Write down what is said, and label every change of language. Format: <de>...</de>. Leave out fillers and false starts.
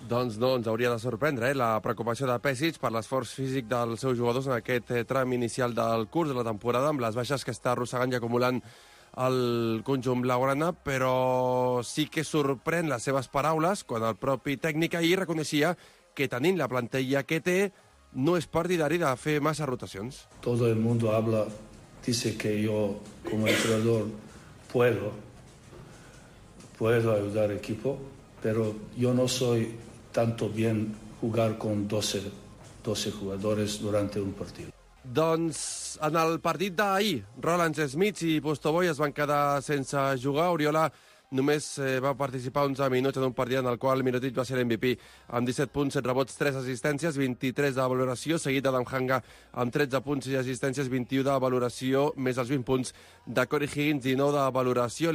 <ca>Doncs no ens hauria de sorprendre la preocupació de Pesic per l'esforç físic dels seus jugadors en aquest tram inicial del curs de la temporada, amb les baixes que està arrossegant i acumulant el conjunt blaugrana, però sí que sorprèn les seves paraules quan el propi tècnic ahir reconeixia que tenint la plantilla que té no és partidari de fer massa rotacions.</ca> <es>Todo el mundo habla, dice que yo como entrenador puedo ayudar al equipo, pero yo no soy tanto bien jugar con 12 jugadores durante un partido.</es> <ca>Doncs en el partit d'ahir, Roland Smith i Postoboy es van quedar sense jugar. Oriola només va participar 11 minuts en un partit en el qual Mirotić va ser MVP amb 17 punts, 7 rebots, 3 assistències, 23 de valoració, seguit d'Adam Hanga amb 13 punts i assistències, 21 de valoració, més els 20 punts de Corey Higgins, 19 de valoració.</ca>